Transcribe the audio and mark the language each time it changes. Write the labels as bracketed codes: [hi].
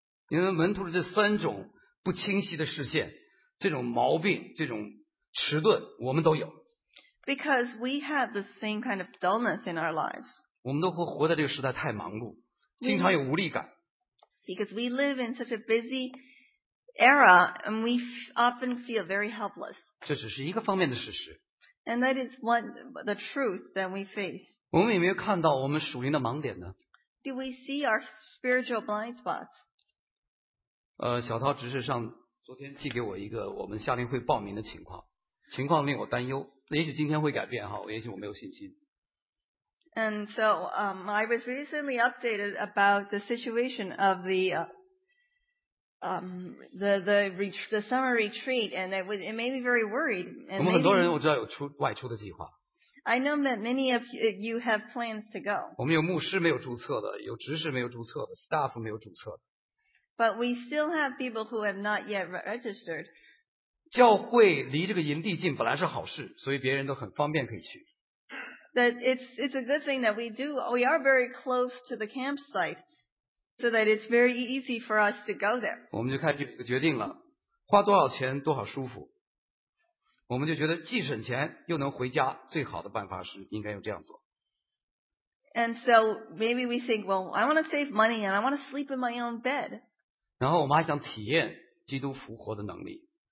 [zh] 因为门徒的这三种不清晰的视线，这种毛病，这种迟钝，我们都有。 [en] Because we have the same kind of dullness in our lives. [zh] 我们都活在这个时代太忙碌，经常有无力感。 [en] Because we live in such a busy era, and we often feel very helpless. [zh] 这只是一个方面的事实。 [en] And that is one the truth that we face. [zh] 我们有没有看到我们属灵的盲点呢？ [en] Do we see our spiritual blind spots? [zh] 小涛执事上昨天寄给我一个我们夏令会报名的情况令我担忧。也许今天会改变哈，也许我没有信心。 [en] And so, I was recently updated about the situation of the summer retreat, and it made me very worried. [zh] 我们很多人我知道有外出的计划。 [en] I know that many of you have plans to go. [zh] 我们有牧师没有注册的，有执事没有注册的 ，staff 没有注册的。 [en] But we still have people who have not yet registered. [zh] 教会离这个营地近本来是好事，所以别人都很方便可以去。 [en] That it's a good thing that we are very close to the campsite, so that it's very easy for us to go there. [zh] 我们就开始有一个决定了，花多少钱多少舒服。我们就觉得既省钱又能回家，最好的办法是应该用这样做。 [en] And so maybe we think, well, I want to save money and I want to sleep in my own bed. [zh] 然后我们还想体验基督复活的能力。